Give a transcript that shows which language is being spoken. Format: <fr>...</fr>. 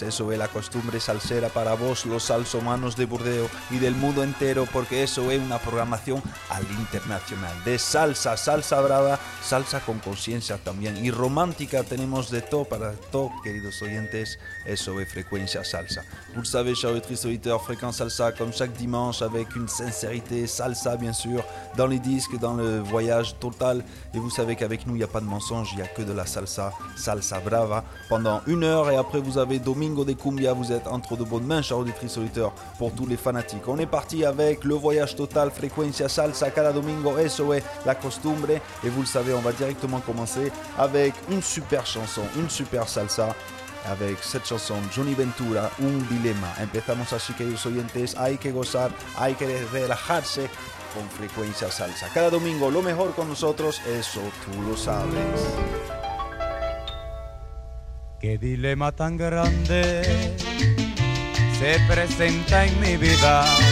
<es>Eso es la costumbre salsera para vos, los salsomanos de Burdeos y del mundo entero, porque eso es una programación al internacional de salsa, salsa brava, salsa con conciencia también y romántica. Tenemos de todo para todo, queridos oyentes. Eso es Frecuencia Salsa.</es> <fr>Vous le savez, chers auditeurs, Frecuencia Salsa, comme chaque dimanche, avec une sincérité salsa, bien sûr, dans les disques, dans le voyage total. Et vous savez qu'avec nous, il n'y a pas de mensonge, il n'y a que de la salsa, salsa brava, pendant une heure. Et après, vous avez Domingo de Cumbia, vous êtes entre de bonnes mains, chers auditeurs, pour tous les fanatiques. On est parti avec le voyage total, Frecuencia Salsa,</fr> <es>cada domingo, eso es la costumbre.</es> <fr>Et vous le savez, on va directement commencer avec une super chanson, une super salsa. Avec cette chanson, Johnny Ventura, Un Dilema.</fr> <es>Empezamos así, queridos oyentes. Hay que gozar, hay que relajarse con Frecuencia Salsa. Cada domingo, lo mejor con nosotros, eso tú lo sabes. Qué dilema tan grande se presenta en mi vida.</es>